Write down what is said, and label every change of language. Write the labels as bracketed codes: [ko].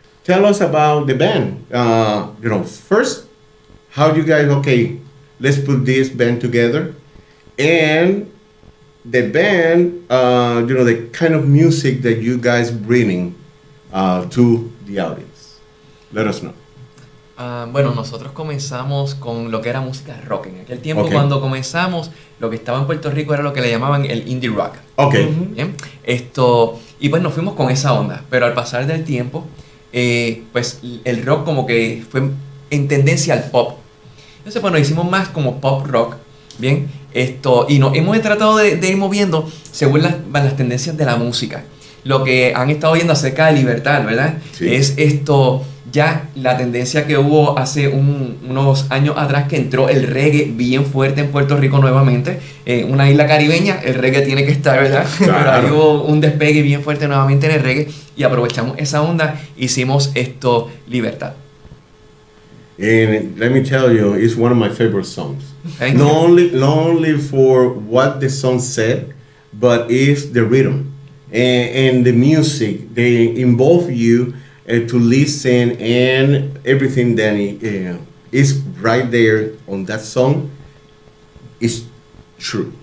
[en] Tell us about the band. You know, first, how you guys, okay, let's put this band together. And the band, you know, the kind of music that you guys bringing to the audience. Let us know. [es] Bueno, nosotros comenzamos con lo que era música rock. En aquel tiempo, okay, cuando comenzamos, lo que estaba en Puerto Rico era lo que le llamaban el indie rock. Ok. Bien. Esto, y pues nos fuimos con esa onda. Pero al pasar del tiempo, pues el rock como que fue en tendencia al pop. Entonces, bueno, hicimos más como pop rock. Bien. Esto, y no, hemos tratado de ir moviendo según las tendencias de la música. Lo que han estado viendo acerca de Libertad, ¿verdad? Sí. Es esto, ya la tendencia que hubo hace unos años atrás, que entró el reggae bien fuerte en Puerto Rico nuevamente. En una isla caribeña, el reggae tiene que estar, ¿verdad? Claro. Pero ahí hubo un despegue bien fuerte nuevamente en el reggae, y aprovechamos esa onda, hicimos esto, Libertad. [en] And let me tell you, it's one of my favorite songs. Thank not you. Only, not only for what the song said, but it's the rhythm. And the music, they involve you to listen, and everything that is right there on that song is true.